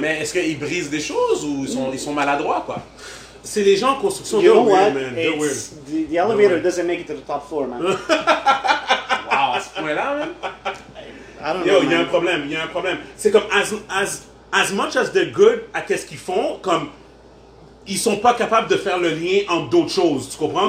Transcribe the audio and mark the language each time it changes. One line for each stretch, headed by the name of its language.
French: Mais est-ce qu'ils brisent des choses ou ils sont maladroits, quoi? C'est les gens en construction.
English: You know what? The elevator doesn't make it to the top floor, man.
French: Wow, à ce point-là, man. Yo, il y a un problème, il y a un problème. C'est comme,
English: as much as they're good
French: à qu'est-ce qu'ils font, comme, ils sont pas capables de faire le lien entre d'autres choses, tu comprends?